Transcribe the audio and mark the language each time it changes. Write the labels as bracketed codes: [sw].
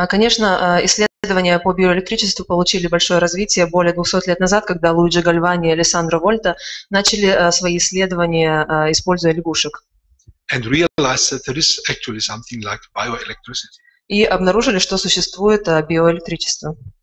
[ru] Конечно, исследования по биоэлектричеству получили большое развитие более 200 лет назад, когда Луиджи Гальвани и Алессандро Вольта начали свои исследования, используя лягушек. [en] And realized that there is actually something like bioelectricity. [ru] и обнаружили, что существует биоэлектричество.